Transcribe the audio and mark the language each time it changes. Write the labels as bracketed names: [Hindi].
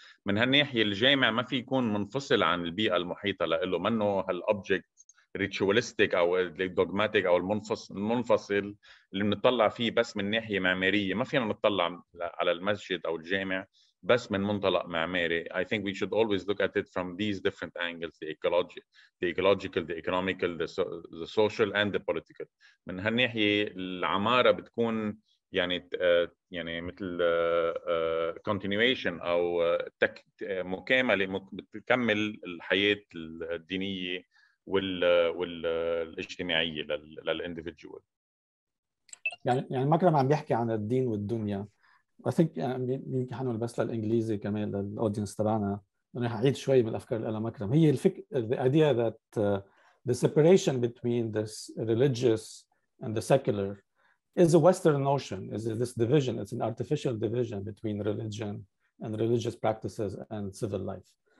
[Arabic] من هالناحية الجامع ما في يكون منفصل عن البيئة المحيطة لإله، منه هال [English] object ritualistic [Arabic] أو dogmatic أو المنفصل اللي بنطلع فيه بس من ناحية معمارية. ما فينا نطلع على المسجد أو الجامع بس من منطلق معماري. [English] I think we should always look at it from these different angles: the ecological, the economical, the social, and the political. [Arabic] من هالناحية العمارة بتكون يعني مثل continuation أو مكاملة، بتكمل الحياة الدينية والاجتماعية للindividual. يعني مكرم عم بيحكي عن الدين والدنيا. [English] I think [Arabic] يمكن حنقول بس للإنجليزي كمان للأودينس تبعنا، أنا هعيد شوي بالأفكار اللي قالها مكرم. هي [English] the idea that the separation between the religious and the secular is a Western notion. Is this division? It's an artificial division between religion and religious practices and civil life.